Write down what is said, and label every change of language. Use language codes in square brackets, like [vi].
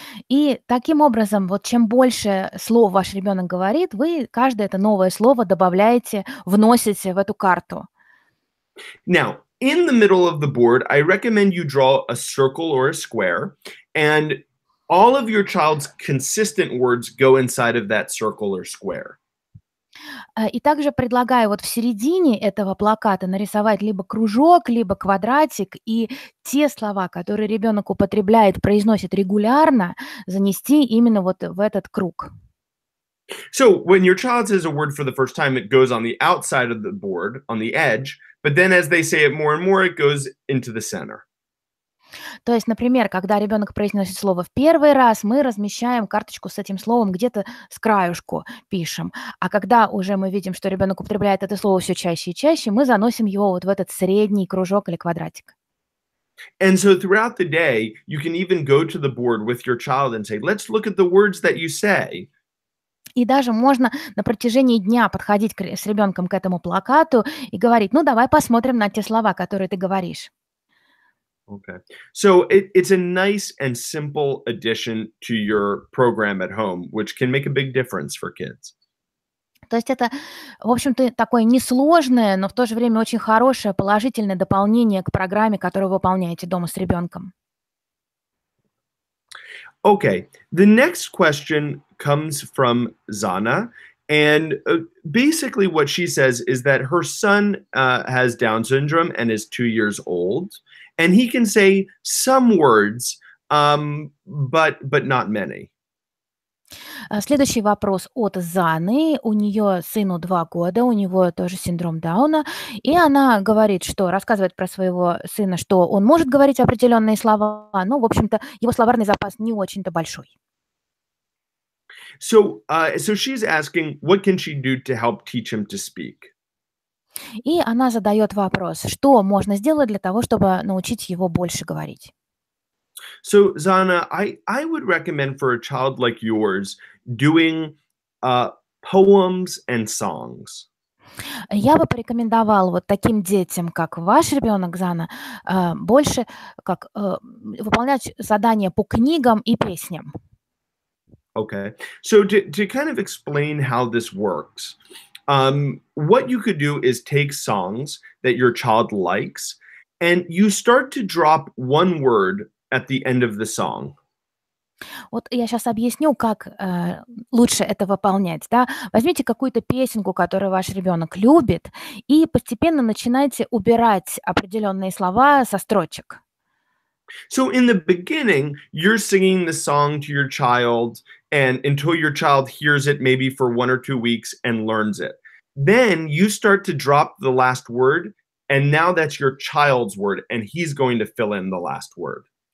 [ru] И таким образом, вот чем больше слов ваш ребенок говорит, вы каждое это новое слово добавляете, вносите в эту карту. [en] Now, in the middle of the board, I recommend you draw a circle or a square, and all of your child's consistent words go inside of that circle or square. [ru] И также предлагаю вот в середине этого плаката нарисовать либо кружок, либо квадратик, и те слова, которые ребенок употребляет, произносит регулярно, занести именно вот в этот круг. [en] So, when your child says a word for the first time, it goes on the outside of the board, on the edge, but then as they say it more and more, it goes into the center. [ru] То есть, например, когда ребенок произносит слово в первый раз, мы размещаем карточку с этим словом где-то с краешку пишем. А когда уже мы видим, что ребенок употребляет это слово все чаще и чаще, мы заносим его вот в этот средний кружок или квадратик. [en] And so throughout the day, you can even go to the board with your child and say, let's look at the words that you say. [ru] И даже можно на протяжении дня подходить с ребенком к этому плакату и говорить, ну давай посмотрим на те слова, которые ты говоришь. [en] Okay. So it's a nice and simple addition to your program at home, which can make a big difference for kids. [ru] То есть это, в общем-то, такое несложное, но в то же время очень хорошее положительное дополнение к программе, которую вы выполняете дома с ребенком. [en] Okay. The next question comes from Zana, and basically what she says is that her son has Down syndrome and is 2 years old. And he can say some words, but not many. [ru] Следующий вопрос от Заны. У нее сыну 2 года, у него тоже синдром Дауна. И она говорит, что рассказывает про своего сына, что он может говорить определенные слова, но, в общем-то, его словарный запас не очень-то большой. [en] So she's asking, what can she do to help teach him to speak? [ru] И она задает вопрос, что можно сделать для того, чтобы научить его больше говорить. [en] So, Zana, I would recommend for a child like yours doing poems and songs. [ru] Я бы порекомендовал вот таким детям, как ваш ребенок, Зана, больше как выполнять задания по книгам и песням. [en] Okay. So, to kind of explain how this works... what you could do is take songs that your child likes, and you start to drop one word at the end of the song. [ru] Вот я сейчас объясню, как лучше это выполнять. Да? Возьмите какую-то песенку, которую ваш ребенок любит, и постепенно начинайте убирать определенные слова со строчек. [en] So in the beginning, you're singing the song to your child, and until your child hears it maybe for 1 or 2 weeks and learns it. Then you start to drop the last word, and now that's your child's word, and he's going to fill in the last word.